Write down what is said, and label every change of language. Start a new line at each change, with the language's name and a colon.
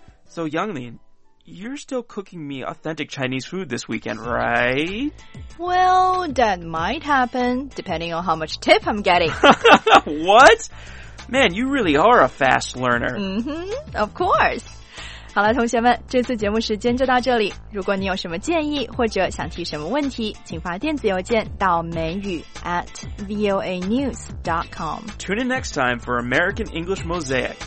English: So Younglin, you're still cooking me authentic Chinese food this weekend, right? Well, that might happen, depending on how much tip I'm getting. What? Man, you really are a fast learner. Of course.
Chinese: 好了，同学们，这次节目时间就到这里。如果你有什么建议或者想提什么问题，请发电子邮件到美语@voanews.com.
English: Tune in next time for American English Mosaic.